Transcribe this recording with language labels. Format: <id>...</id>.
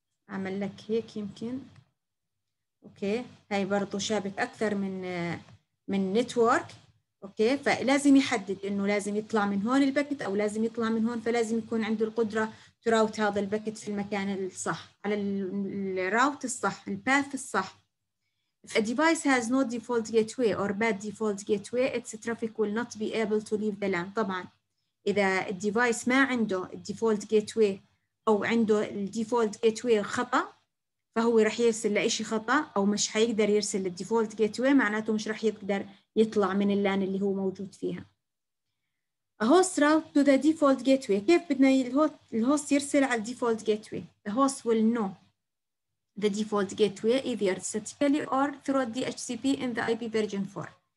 <ar>اعمل لك هيك يمكن اوكي. هاي برضو شابك اكثر من نتورك اوكي. فلازم يحدد انه لازم يطلع من هون الباكت او لازم يطلع من هون، فلازم يكون عنده القدرة تراوت هذا الباكت في المكان الصح على الراوت الصح الباث الصح.</ar> <en>If a device has no default gateway or bad default gateway its traffic will not be able to leave the LAN.</en> <ar>طبعا اذا الديفايس ما عنده الديفولت gateway او عنده الديفولت gateway خطا فهو راح يرسل لاشي خطا او مش حيقدر يرسل الديفولت gateway، معناته مش راح يقدر يطلع من اللان اللي هو موجود فيها.</ar> <en>A host route to the default gateway.</en> <ar>كيف بدنا الهوست يرسل على الديفولت gateway؟</ar> <en>The host will know the default gateway either statically or through DHCP in the IP version 4.</en>